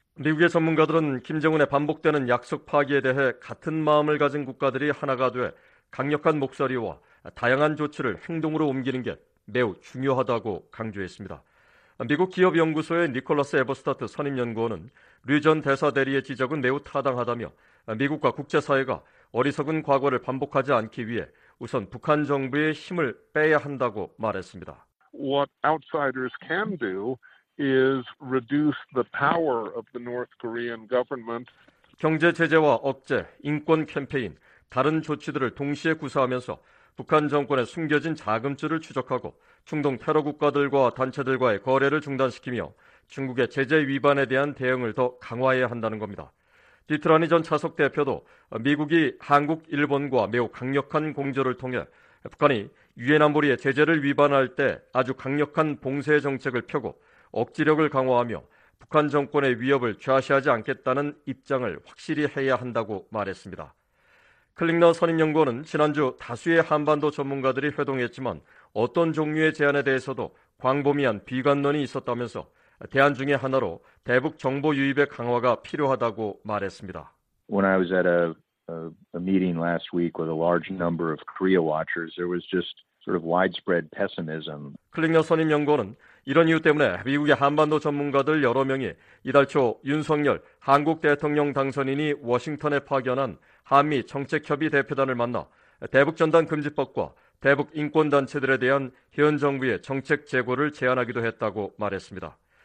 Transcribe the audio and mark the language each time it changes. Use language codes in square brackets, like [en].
[ko] 미국의 전문가들은 김정은의 반복되는 약속 파기에 대해 같은 마음을 가진 국가들이 하나가 돼 강력한 목소리와 다양한 조치를 행동으로 옮기는 게 매우 중요하다고 강조했습니다. 미국 기업연구소의 니콜라스 에버스타트 선임연구원은 류 전 대사 대리의 지적은 매우 타당하다며 미국과 국제사회가 어리석은 과거를 반복하지 않기 위해 우선 북한 정부의 힘을 빼야 한다고 말했습니다. [en] What outsiders can do is reduce the power of the North Korean government. [ko] 경제 제재와 억제, 인권 캠페인, 다른 조치들을 동시에 구사하면서 북한 정권의 숨겨진 자금줄을 추적하고 중동 테러 국가들과 단체들과의 거래를 중단시키며 중국의 제재 위반에 대한 대응을 더 강화해야 한다는 겁니다. 디트라니 전 차석 대표도 미국이 한국, 일본과 매우 강력한 공조를 통해 북한이 유엔 안보리의 제재를 위반할 때 아주 강력한 봉쇄 정책을 펴고 억지력을 강화하며 북한 정권의 위협을 좌시하지 않겠다는 입장을 확실히 해야 한다고 말했습니다. 클링너 선임연구원은 지난주 다수의 한반도 전문가들이 회동했지만 어떤 종류의 제안에 대해서도 광범위한 비관론이 있었다면서 대안 중에 하나로 대북 정보 유입의 강화가 필요하다고 말했습니다. [en] When I was at a meeting last week with a large number of Korea watchers, there was just sort of widespread pessimism. [ko] 클링너 선임연구원은 이런 이유 때문에 미국의 한반도 전문가들 여러 명이 이달 초 윤석열 한국 대통령 당선인이 워싱턴에 파견한 한미 정책협의 대표단을 만나 대북전단금지법과 대북인권단체들에 대한 현 정부의 정책 재고를 제안하기도 했다고 말했습니다.